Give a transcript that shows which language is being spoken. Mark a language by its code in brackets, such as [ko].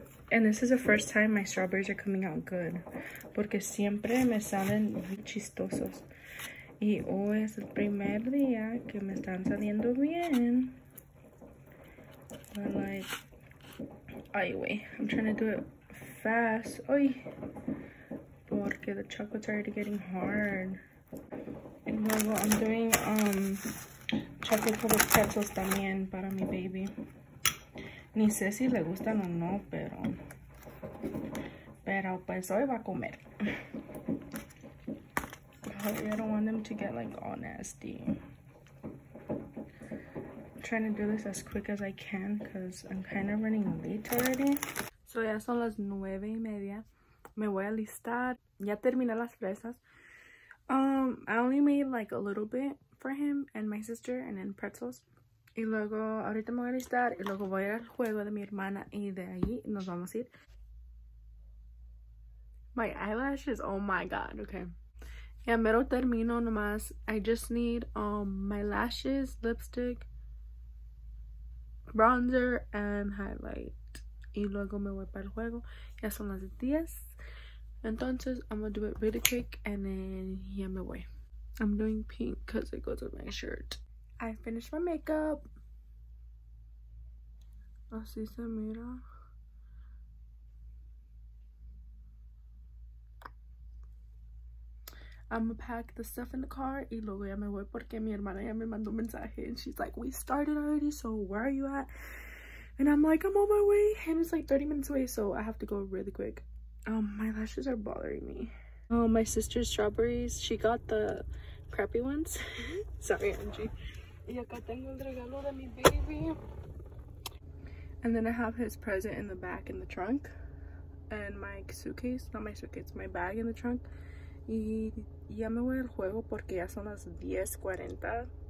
[en] And this is the first time my strawberries are coming out good. [es] Porque siempre me salen muy chistosos. Y hoy es el primer día que me están saliendo bien. [en] But like, [es] ay, wey, [en] I'm trying to do it fast. Uy. [es] Porque [en] the chocolate's already getting hard. And [es] luego [en] I'm doing chocolate covered pretzels [es] también para mi baby. Ni sé si le gustan o no, pero... pero pues hoy va a comer. [en] I don't want them to get like all nasty. I'm trying to do this as quick as I can because I'm kind of running late already. [es] So ya son las 9:30. Me voy a alistar. Ya terminé las fresas. [en] I only made like a little bit for him and my sister and then pretzels. [es] Y luego ahorita me voy a alistar y luego voy a ir al juego de mi hermana y de ahí nos vamos a ir. [en] My eyelashes, oh my god, okay. Yeah, [es] mero termino nomás. [en] I just need my lashes, lipstick, bronzer, and highlight. [es] Y luego me voy para el juego. Ya son las 10. Entonces, [en] I'm gonna do it really quick, and then, yeah, [es] me voy. [en] I'm doing pink because it goes with my shirt. I finished my makeup. [es] Así se mira. [en] I'm gonna pack the stuff in the car [es] y luego ya me voy porque mi hermana ya me mandó un mensaje [en] and she's like, we started already, so where are you at? And I'm like, I'm on my way and it's like 30 minutes away, so I have to go really quick. My lashes are bothering me. Oh, my sister's strawberries, she got the crappy ones. Sorry, Angie. [es] Y acá tengo el regalo de mi baby. [en] And then I have his present in the back in the trunk and my suitcase, not my suitcase, my bag in the trunk. [es] Y ya me voy al juego porque ya son las 10:40.